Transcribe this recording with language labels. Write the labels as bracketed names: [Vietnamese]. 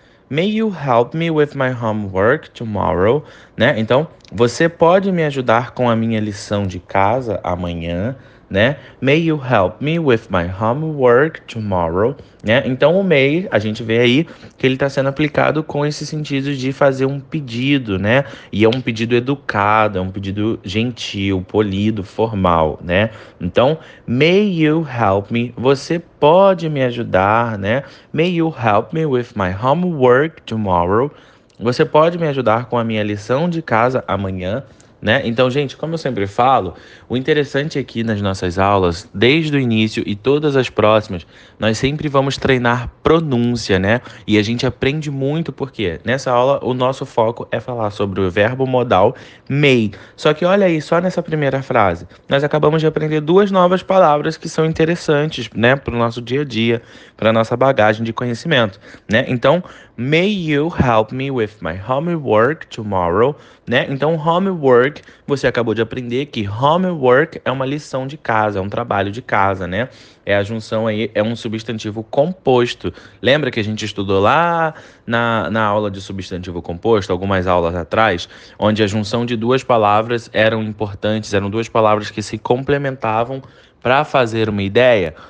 [English] May you help me with my homework tomorrow? [Portuguese] Né? Então, você pode me ajudar com a minha lição de casa amanhã, né? [English] May you help me with my homework tomorrow? [Portuguese] Né? Então, o may, a gente vê aí que ele está sendo aplicado com esse sentido de fazer um pedido, né? E é um pedido educado, é um pedido gentil, polido, formal, né? Então, [English] may you help me? [Portuguese] Você pode me ajudar, né? [English] May you help me with my homework tomorrow? [Portuguese] Você pode me ajudar com a minha lição de casa amanhã? Né? Então, gente, como eu sempre falo, o interessante aqui nas nossas aulas, desde o início e todas as próximas, nós sempre vamos treinar pronúncia, né? E a gente aprende muito porque nessa aula o nosso foco é falar sobre o verbo modal may. Só que olha aí, só nessa primeira frase, nós acabamos de aprender duas novas palavras que são interessantes, né, para o nosso dia a dia, para a nossa bagagem de conhecimento, né? [English] Então, may you help me with my homework tomorrow, né? [Portuguese] Então, homework. Você acabou de aprender que homework é uma lição de casa, é um trabalho de casa, né? É a junção aí, é um substantivo composto. Lembra que a gente estudou lá na aula de substantivo composto, algumas aulas atrás, onde a junção de duas palavras eram importantes, eram duas palavras que se complementavam para fazer uma ideia?